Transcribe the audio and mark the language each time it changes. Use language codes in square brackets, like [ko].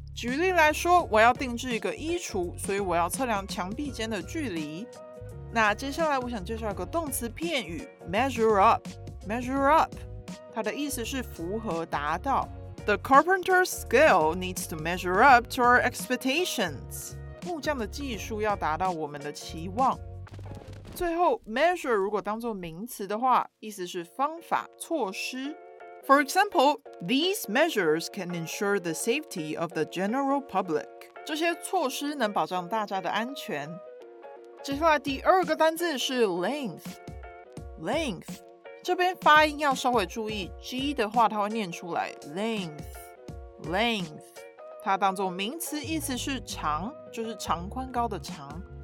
[zh] 举例来说，我要定制一个衣橱，所以我要测量墙壁间的距离。那接下来我想介绍一个动词片语 ， [en] measure up。 Measure up， [zh] 它的意思是符合、达到。 [en] The carpenter's skill needs to measure up to our expectations. [zh] 木匠的技术要达到我们的期望。最后 ，measure 如果当作名词的话，意思是方法、措施。 [en] For example, these measures can ensure the safety of the general public. [zh] 这些措施能保障大家的安全。接下来第二个单字是 length。length， 这边发音要稍微注意 ，g 的话它会念出来 length。 length， 它当作名词，意思是长，就是长宽高的长。